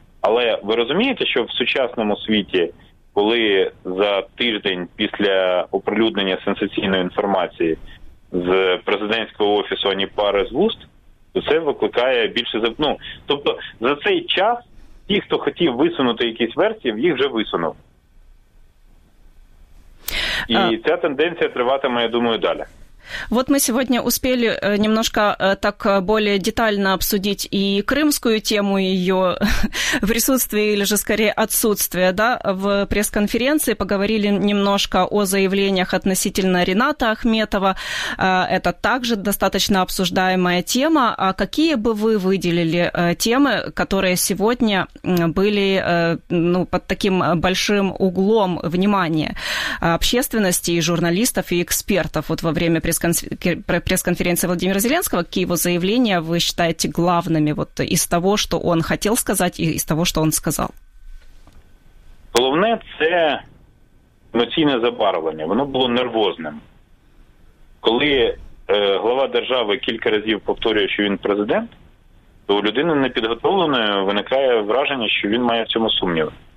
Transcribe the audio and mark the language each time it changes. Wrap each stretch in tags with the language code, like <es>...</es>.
<uk>Але ви розумієте, що в сучасному світі, коли за тиждень після оприлюднення сенсаційної інформації з президентського офісу ані пари з вуст, то це викликає більше за... Ну, тобто за цей час ті, хто хотів висунути якісь версії, їх вже висунув. І ця тенденція триватиме, я думаю, далі.</uk> <ru>Вот мы сегодня успели немножко так более детально обсудить и крымскую тему ее в присутствии или же скорее отсутствие, да, в пресс-конференции. Поговорили немножко о заявлениях относительно Рината Ахметова. Это также достаточно обсуждаемая тема. А какие бы вы выделили темы, которые сегодня были под таким большим углом внимания общественности и журналистов, и экспертов вот во время пресс-конференции Владимира Зеленского, какие его заявления вы считаете главными вот из того, что он хотел сказать, и из того, что он сказал?</ru> <uk>Головне – це емоційне забарвлення. Воно було нервозним. Коли глава держави кілька разів повторює, що він президент, то у людини непідготовленої виникає враження, що він має в цьому сумніви.</uk>